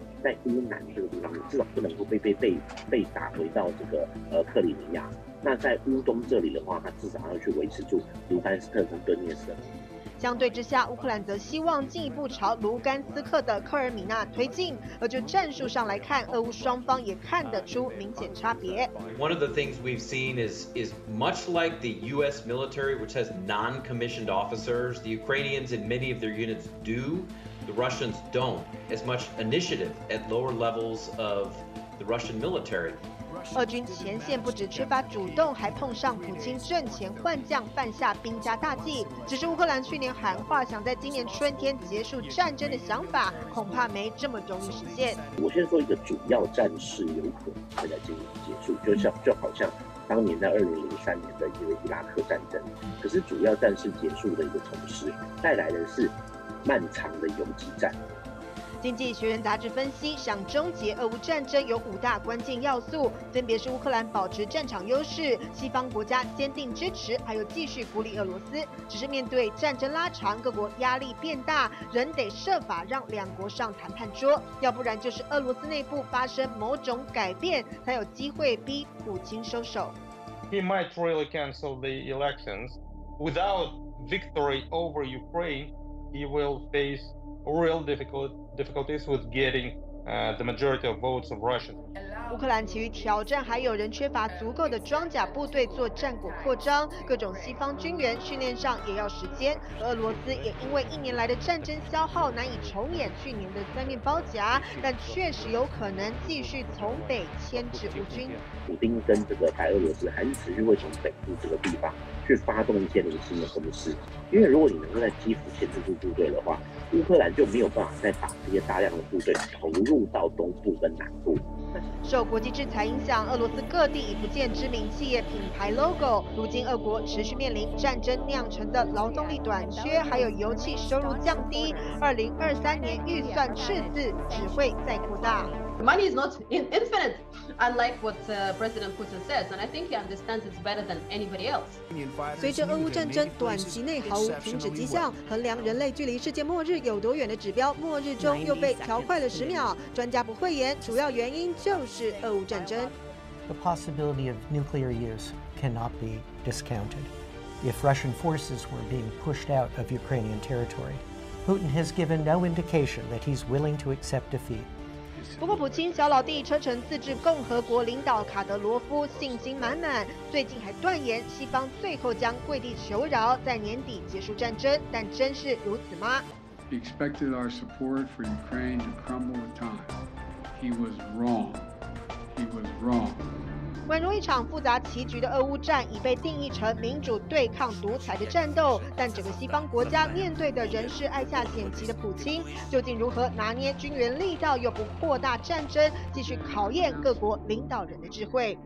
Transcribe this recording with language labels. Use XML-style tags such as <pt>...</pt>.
<zh>在乌南这个地方，至少不能够被打回到这个克里米亚。那在乌东这里的话，它至少要去维持住卢甘斯克和顿涅斯克。相对之下，乌克兰则希望进一步朝卢甘斯克的科尔米纳推进。而就战术上来看，俄乌双方也看得出明显差别。</zh> <en>One of the things we've seen is much like the U.S. military, which has non-commissioned officers, the Ukrainians in many of their units do. The Russians don't as much initiative at lower levels of the Russian military.</en> <zh>俄军前线不止缺乏主动，还碰上普京阵前换将，犯下兵家大忌。只是乌克兰去年喊话想在今年春天结束战争的想法，恐怕没这么容易实现。我先说一个主要战事有可能会在今年结束，就好像当年在2003年的一个伊拉克战争。可是主要战事结束的一个同时，带来的是。漫长的游击战。经济学人杂志分析，想终结俄乌战争有五大关键要素，分别是乌克兰保持战场优势，西方国家坚定支持，还有继续孤立俄罗斯。只是面对战争拉长，各国压力变大，仍得设法让两国上谈判桌，要不然就是俄罗斯内部发生某种改变，才有机会逼普京收手。</zh> <en>He might really cancel the elections without victory over Ukraine. He will face real difficulties with getting the majority of votes of Russians.</en> <zh>乌克兰其余挑战还有人缺乏足够的装甲部队做战果扩张，各种西方军援训练上也要时间。俄罗斯也因为一年来的战争消耗难以重演去年的三面包夹，但确实有可能继续从北牵制乌军。普丁跟这个白俄罗斯还持续会从北部这个地方去发动一些零星的攻势，因为如果你能够在基辅牵制住部队的话，乌克兰就没有办法再把这些大量的部队投入到东部跟南部。受国际制裁影响，俄罗斯各地已不见知名企业品牌 logo。如今俄国持续面临战争酿成的劳动力短缺，还有油气收入降低，2023年预算赤字只会再扩大。</zh> <en>Money is not infinite, unlike what President Putin says, and I think he understands it's better than anybody else.</en> <zh>随着俄乌战争短期内毫无停止迹象，衡量人类距离世界末日有多远的指标末日钟又被调快了10秒。专家不讳言，主要原因就是俄乌战争。</zh> <en>The possibility of nuclear use cannot be discounted. If Russian forces were being pushed out of Ukrainian territory, Putin has given no indication that he's willing to accept defeat.</en> <zh>不过普京小老弟车臣自治共和国领导卡德罗夫信心满满，最近还断言西方最后将跪地求饶，在年底结束战争。但真是如此吗？</zh> <en>He expected our support for Ukraine to crumble with time. He was wrong. He was wrong.</en> <zh>宛如一场复杂棋局的俄乌战已被定义成民主对抗独裁的战斗，但整个西方国家面对的仍是爱下险棋的普京，究竟如何拿捏军援力道又不扩大战争，继续考验各国领导人的智慧。</zh>